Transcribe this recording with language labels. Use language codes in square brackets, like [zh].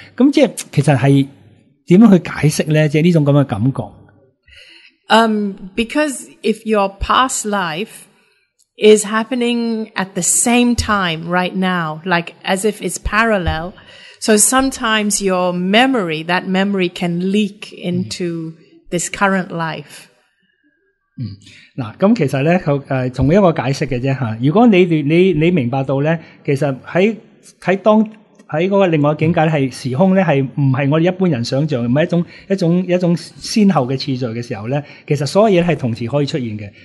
[yue] 咁即系其实系点样去解释咧？即系呢种咁嘅感觉。 [en] Because if your past life is happening at the same time right now, like as if it's parallel, so sometimes your memory, that memory can leak into this current life. [yue] 嗯，嗱，咁其实咧，同一个解释嘅啫吓。如果你明白到咧，其实喺嗰个另外境界咧，系时空咧，系唔系我哋一般人想象，唔系一种先后嘅次序嘅时候咧，其实所有嘢系同时可以出现嘅。